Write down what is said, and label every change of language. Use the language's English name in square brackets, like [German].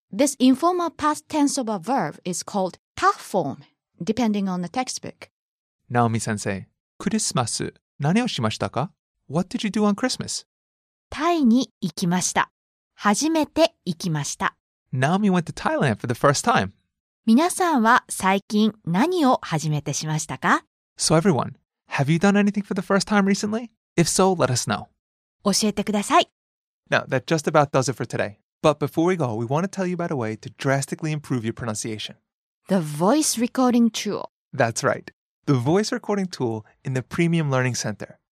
[English] This informal past tense of a verb is called ta form, depending on the textbook. [Japanese] Naomi-sensei, Christmas, 何をしましたか? [English] What did you do on Christmas? [Japanese] タイに行きました。初めて行きました。 [English] Naomi went to Thailand for the first time. [Japanese] 皆さんは最近何を初めてしましたか? [English] So everyone, have you done anything for the first time recently? If so, let us know. [Japanese] 教えてください。 [English] Now, that just about does it for today. But before we go, we want to tell you about a way to drastically improve your pronunciation. The voice recording tool. That's right. The voice recording tool in the Premium Learning Center.